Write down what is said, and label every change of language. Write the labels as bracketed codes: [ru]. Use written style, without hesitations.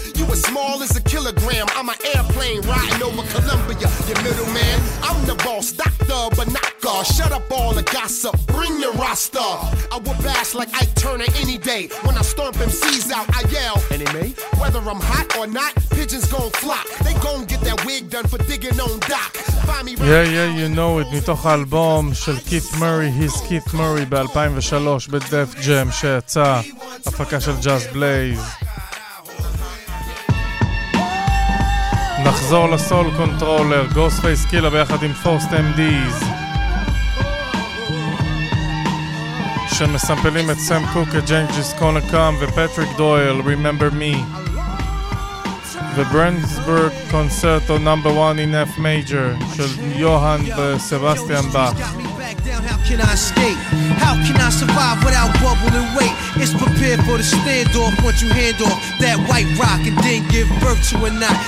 [en] You as small as a kilogram. I'm an airplane riding over Columbia, your middleman. I'm the boss, doctor, but not God. Shut up all the gossip, bring the roster. I will bash like Ike Turner any day. When I stomp MCs out, I yell, anime? Whether I'm hot or not, pigeons gon' flock. They gon' get that wig done for digging on Doc. Yeah, yeah, you know it, [he] מתוך האלבום של קית' מורי, He's Keith Murray ב-2003 בדף ג'ם שיצא, הפקה של ג'אז בלייז. נחזור לסול קונטרולר, גוסט פייס קילה ביחד עם פורסט אמדיז שמסמפלים את סם קוק, את ג'יינג'יס קונה קאם ופטריק דויל, Remember Me. The Brandsburg Concerto number 1 in F major של יוהאן וסבסטיאן באך. [en] Can I escape? How can I survive without bubbling weight? It's prepared for the standoff once you hand off that white rock and then give birth to a knot.